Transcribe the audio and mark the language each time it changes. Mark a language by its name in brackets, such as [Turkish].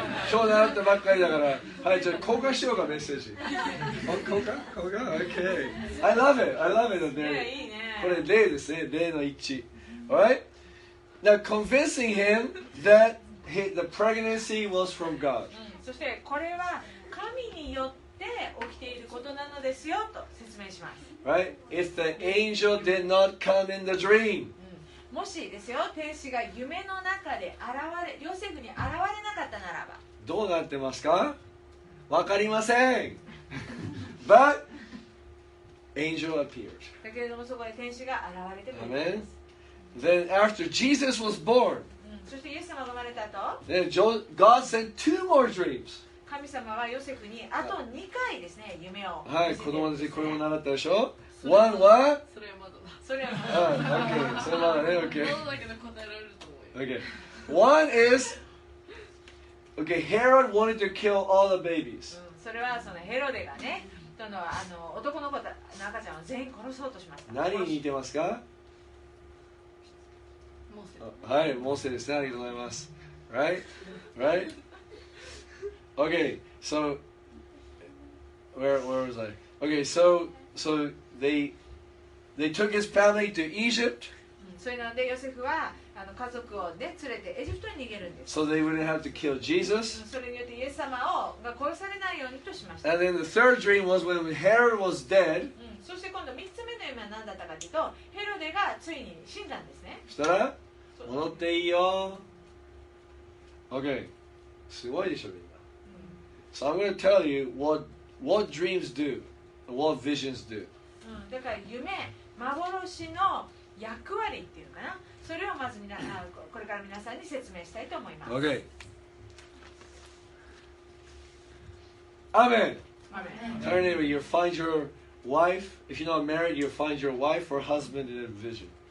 [Japanese] 今日習ったばっかりだから、はい、じゃあ交換しようかメッセージ。交換 [English] ？OK。I love it。I love it [Japanese] ね。これ例ですね。例の一致。 [English] Alright。 Now convincing him that the pregnancy was from God、 [Japanese] うん。そしてこれは神によって起きていることなのですよと説明します。 [English] Right? If the angel did not come in the dream. [Japanese] もしですよ、天使が夢の中で現れ、ヨセフに現れなかったならば、どうなってますか？わかりません。 [English] But angel appeared。 [Japanese] だけれどもそこで天使が現れてくれます。 [English] Amen. Then after Jesus was born, [Japanese] そしてイエス様が生まれた後、 [English] Then God sent two more dreams. [Japanese] 神様はヨセフにあと2回ですね、夢を。はい、子供たちこれも習ったでしょ。 One は？それはまだだ。それはまだ。 OK、それまだね、OK。まだだけど答えられると思う。 [English] OK。 One is, okay, Herod wanted to kill all the babies. [Japanese] それはそのヘロデがね、あの男の子の赤ちゃんを全員殺そうとしました。何に似てますか？はい、モーセですね。ありがとうございます。 [English] Right? Okay, so... Where was I? Okay, so they took his family to Egypt. [Japanese] それなんで、ヨセフは家族を、ね、連れてエジプトに逃げるんです。 [English] So they wouldn't have to kill Jesus. [Japanese] それによってイエス様を殺されないようにとしました。 [English] And then the third dream was when Herod was dead. [Japanese] そして今度3つ目の夢は何だったかというと、ヘロデがついに死んだんですね。そしたら戻っていいよ。 OK。 すごいでしょ、みんな。 [English] So I'm going to tell you what dreams do, and what visions do.、 [Japanese] だから夢、幻の役割っていうのかな。それをまず皆さん、これから皆さんに説明したいと思います。 [English] OK。 Amen。 Tell your neighbor, you find your wife, if you're not married, you find your wife or husband in a vision.